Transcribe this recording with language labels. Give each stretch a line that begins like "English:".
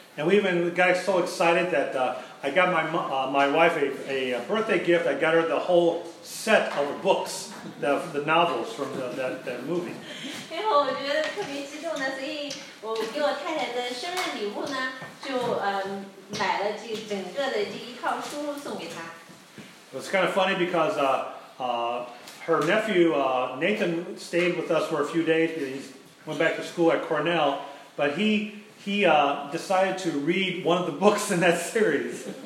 English: And we even got so excited that I got my wife a birthday gift. I got her the whole set of books, the novels from that movie.
Chinese: 然后我觉得特别激动的，所以我给我太太的生日礼物呢，就买了这整个的这一套书送给她。
English: It was kind of funny because her nephew, Nathan, stayed with us for a few days. He went back to school at Cornell. But he decided to read one of the books in that series.